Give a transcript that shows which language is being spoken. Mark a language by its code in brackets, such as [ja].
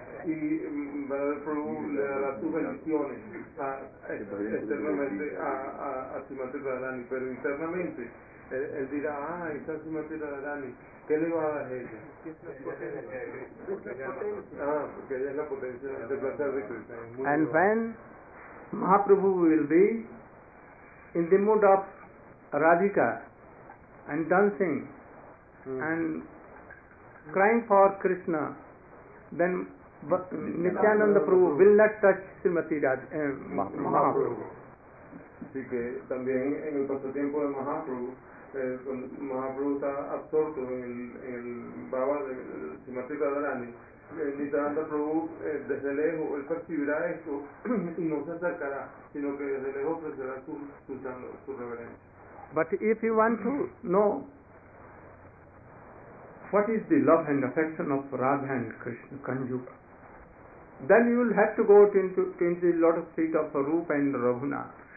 [es] Y Baladeva Prabhu le dará sus bendiciones externamente a Srimati Radharani, pero internamente él dirá, ah, está Srimati Radharani, ¿qué le va a dar ella? Porque ella es la potencia del placer de Krishna. [en] And when Mahaprabhu will be in the mood of Radhika and dancing and crying for Krishna, then Nityananda Prabhu will not touch Srimati Mahaprabhu. [es] Así que también en el pasatiempo de Mahaprabhu, cuando Mahaprabhu está absorto en el bhava de Srimati Radharani, Nityananda Prabhu desde lejos, él percibirá esto y no se acercará, sino que desde lejos ofrecerá su reverencia. [en] But if you want to know what is the love and affection of Radha and Krishna, Kanjuga, then you will have to go into the lotus feet of Rupa and Raghuna.